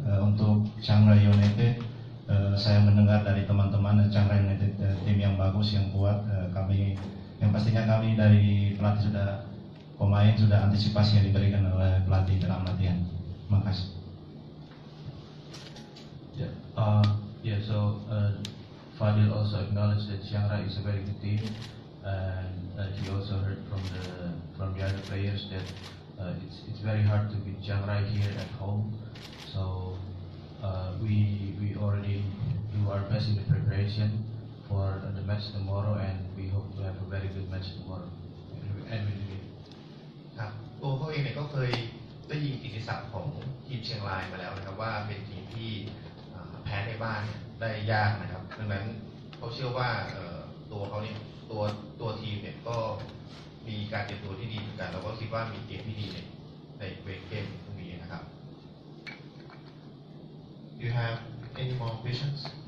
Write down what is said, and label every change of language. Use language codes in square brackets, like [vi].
[id] Untuk Chiang Rai United, saya mendengar dari teman-teman Chiang Rai United tim yang bagus, yang kuat. Kami, yang pastinya kami dari pelatih sudah pemain sudah antisipasi yang diberikan oleh pelatih dalam latihan. Terima kasih. Yeah. Yeah. [en] So Fadil also acknowledged that Chiang Rai is a very good team, and he also heard from the other players that it's very hard to beat Chiang Rai here at home. So we already do our best in the preparation for the match tomorrow, and we hope to have a very good match tomorrow and win the game. Yeah. Oh, okay. [th] Me, ก็เคยได้ยินกิตติศัพท์ของทีมเชียงรายมาแล้วนะครับว่าเป็นทีมที่แพ้ในบ้านได้ยากนะครับดังนั้นเขาเชื่อว่าตัวเขาเนี่ยตัวทีมเนี่ยก็มีการเตรียมตัวที่ดีเหมือนกันแล้วก็คิดว่ามีเกมที่ดีในเวทเกมพรุ่งนี้นะครับ You have any more questions?